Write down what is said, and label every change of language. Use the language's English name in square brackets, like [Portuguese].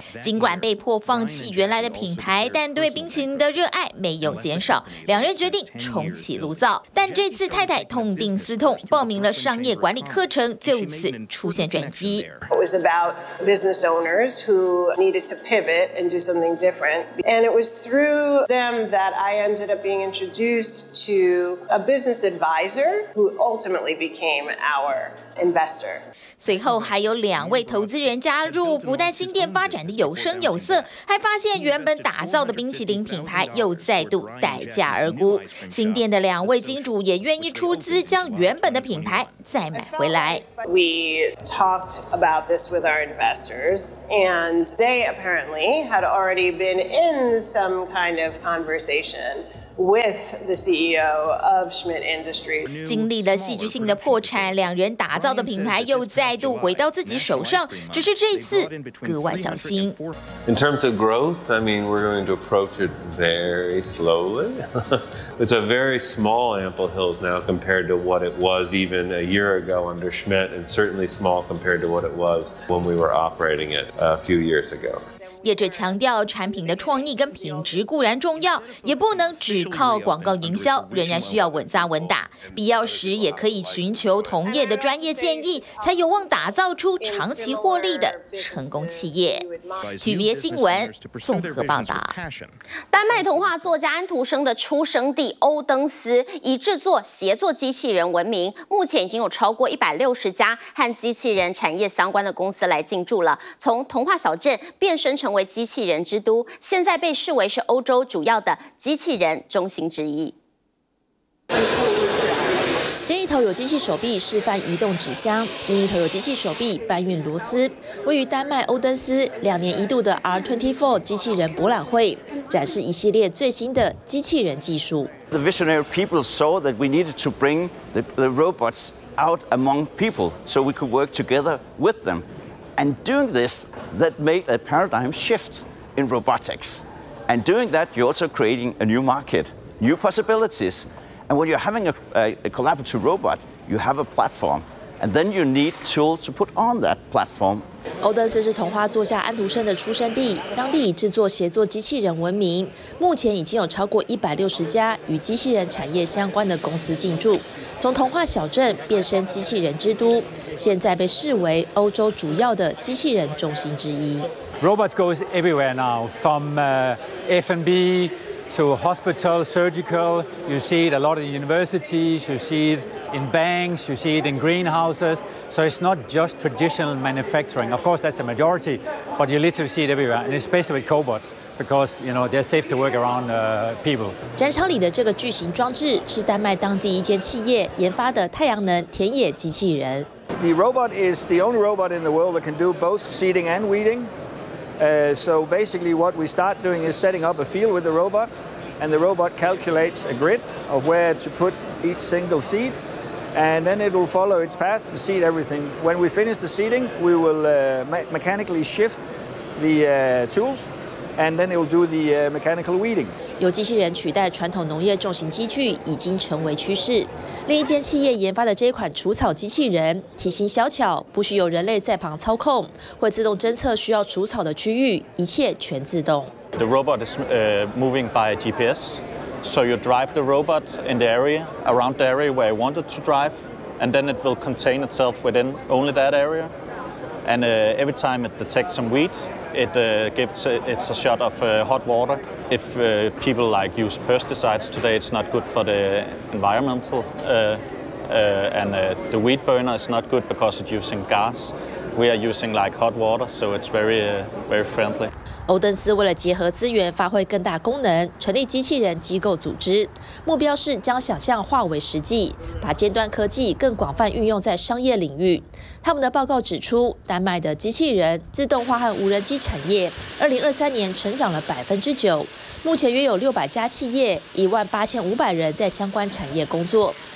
[Chinese] 尽管被迫放弃原来的品牌，但对冰淇淋的热爱没有减少。两人决定重启炉灶，但这次太太痛定思痛，报名了商业管理课程，就此出现转机。 [English] It was about business owners who needed to pivot and do something different, and it was through them that I ended up being introduced to a business advisor who ultimately became our investor. [Chinese] 随后还有两位投资人加入，不但新店发展的有声有色，还发现原本打造的冰淇淋品牌又再度待价而沽。新店的两位金主也愿意出资将原本的品牌再买回来。 [English] We talked about this with our investors, and they apparently had already been in some kind of conversation. With the CEO of Schmidt Industries, [Chinese] 经历了戏剧性的破产，两人打造的品牌又再度回到自己手上，只是这次格外小心。 [English] In terms of growth, I mean, we're going to approach it very slowly. It's a very small Ample Hills now compared to what it was even a year ago under Schmidt, and certainly small compared to what it was when we were operating it a few years ago. [Chinese] 业者强调，产品的创意跟品质固然重要，也不能只靠广告营销，仍然需要稳扎稳打。必要时也可以寻求同业的专业建议，才有望打造出长期获利的成功企业。体育新闻综合报道。丹麦童话作家安徒生的出生地欧登斯以制作协作机器人闻名，目前已经有超过160家和机器人产业相关的公司来进驻了，从童话小镇变身成。成为机器人之都，现在被视为是欧洲主要的机器人中心之一。这一头有机器手臂示范移动纸箱，另一头有机器手臂搬运螺丝。位于丹麦欧登斯，两年一度的 R24 机器人博览会展示一系列最新的机器人技术。 [English] The visionary people saw that we needed to bring the robots out among people so we could work together with them. And doing this, that made a paradigm shift in robotics. And doing that, you're also creating a new market, new possibilities. And when you're having a collaborative robot, you have a platform. And then you need tools to put on that platform. [Chinese] 欧登斯是童话作家安徒生的出生地，当地以制作协作机器人闻名。目前已经有超过160家与机器人产业相关的公司进驻，从童话小镇变身机器人之都。现在被视为欧洲主要的机器人中心之一。 [English] Robots goes everywhere now, from F&B to hospital, surgical. You see it a lot in universities. You see it in banks. You see it in greenhouses. So it's not just traditional manufacturing. Of course, that's the majority, but you literally see it everywhere, and especially with cobots. because you know they're safe to work around people. [Chinese] 展场里的这个巨型装置是丹麦当地一间企业研发的太阳能田野机器人。 [English] The robot is the only robot in the world that can do both seeding and weeding. So basically, what we start doing is setting up a field with the robot, and the robot calculates a grid of where to put each single seed. And then it will follow its path and seed everything. When we finish the seeding, we will mechanically shift the tools, and then it will do the mechanical weeding. [Chinese] 由机器人取代传统农业重型机具已经成为趋势。另一间企业研发的这一款除草机器人，体型小巧，不需有人类在旁操控，会自动侦测需要除草的区域，一切全自动。 [English] The robot is moving by GPS. So you drive the robot in the area, around the area where you want it to drive, and then it will contain itself within only that area. And every time it detects some weed, it gives it a shot of hot water. If people like use pesticides today, it's not good for the environmental, and the weed burner is not good because it's using gas. We are using like hot water, so it's very, very friendly. [Chinese] 欧登斯为了结合资源发挥更大功能，成立机器人机构组织，目标是将想象化为实际，把尖端科技更广泛运用在商业领域。他们的报告指出，丹麦的机器人、自动化和无人机产业2023年成长了9%，目前约有600家企业、18500人在相关产业工作。